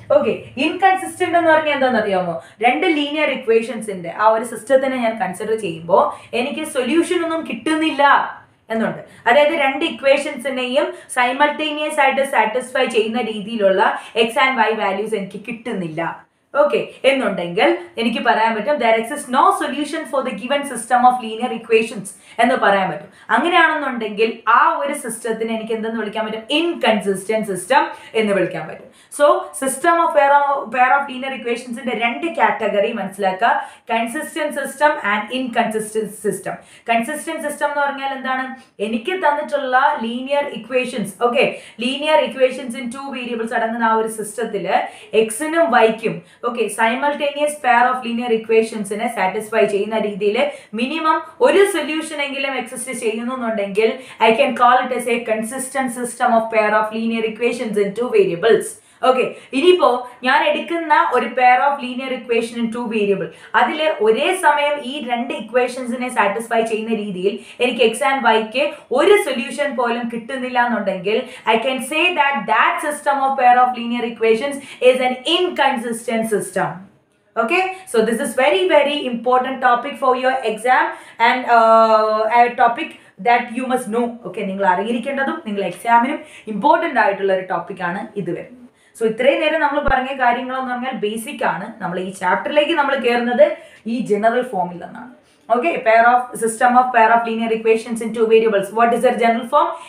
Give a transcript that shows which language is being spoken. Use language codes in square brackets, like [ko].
[ml] Okay, inconsistent എന്ന് പറഞ്ഞാൽ എന്താണെന്ന് അറിയാമോ, രണ്ട് ലീനിയർ ഇക്വേഷൻസിന്റെ ആ ഒരു സിസ്റ്റത്തിനെ ഞാൻ കൺസിഡർ ചെയ്യുമ്പോൾ എനിക്ക് സൊല്യൂഷൻ ഒന്നും കിട്ടുന്നില്ല എന്നുണ്ട്. അതായത് രണ്ട് ഇക്വേഷൻസിനെയും സൈമൾട്ടേനിയസ് ആയിട്ട് സാറ്റിസ്ഫൈ ചെയ്യുന്ന രീതിയിലുള്ള എക്സ് ആൻഡ് വൈ വാല്യൂസ് എനിക്ക് കിട്ടുന്നില്ല. [en] Okay, there exists no solution for the given system of linear equations. [ml] എന്ന് പറയാൻ പറ്റും. അങ്ങനെയാണെന്നുണ്ടെങ്കിൽ ആ ഒരു സിസ്റ്റത്തിന് എനിക്ക് എന്തെന്ന് വിളിക്കാൻ പറ്റും? ഇൻകൺസിസ്റ്റന്റ് സിസ്റ്റം എന്ന് വിളിക്കാൻ പറ്റും. So system of pair of linear ഇക്വേഷൻസിന്റെ രണ്ട് കാറ്റഗറി മനസ്സിലാക്കുക. Consistent system and inconsistent system. Consistent system എന്ന് പറഞ്ഞാൽ എന്താണ്? എനിക്ക് തന്നിട്ടുള്ള linear equations, okay, linear equations in two variables അടങ്ങുന്ന ആ ഒരു സിസ്റ്റത്തിൽ എക്സിനും വൈക്കും, okay, simultaneous pair of linear ഇക്വേഷൻസിനെ satisfy ചെയ്യുന്ന രീതിയിൽ മിനിമം ഒരു സൊല്യൂഷൻ എങ്കിലും എക്സിസ്റ്റ് ചെയ്യുന്നുണ്ടെങ്കിൽ [en] I can call it a consistent system of pair of linear equations in two variables. [ml] Okay, ഇനിയിപ്പോ ഞാൻ എടുക്കുന്ന ഒരു pair of linear equation in to variable, അതില് ഒരേ സമയം ഈ രണ്ട് ഇക്വേഷൻസിനെ സാറ്റിസ്ഫൈ ചെയ്യുന്ന രീതിയിൽ എനിക്ക് എക്സ് ആൻഡ് വൈക്ക് ഒരു സൊല്യൂഷൻ പോലും കിട്ടുന്നില്ല എന്നുണ്ടെങ്കിൽ [en] I can say that system of pair of linear equations is an inconsistent system. Okay, so this is very, very important topic for your exam and a topic that you must know. [ml] Okay, നിങ്ങൾ അറിഞ്ഞിരിക്കേണ്ടതും നിങ്ങൾ എക്സാമിനും important ആയിട്ടുള്ള ഒരു ടോപ്പിക്കാണ് ഇത് വരുന്നത്. So ഇത്രയും നേരം നമ്മൾ പറഞ്ഞ കാര്യങ്ങളെന്ന് പറഞ്ഞാൽ ബേസിക് ആണ്. നമ്മൾ ഈ ചാപ്റ്ററിലേക്ക് നമ്മൾ കയറുന്നത് ഈ ജനറൽ ഫോമിൽ നിന്നാണ്. [en] Okay, system of pair of linear equations in two variables, what is their general form?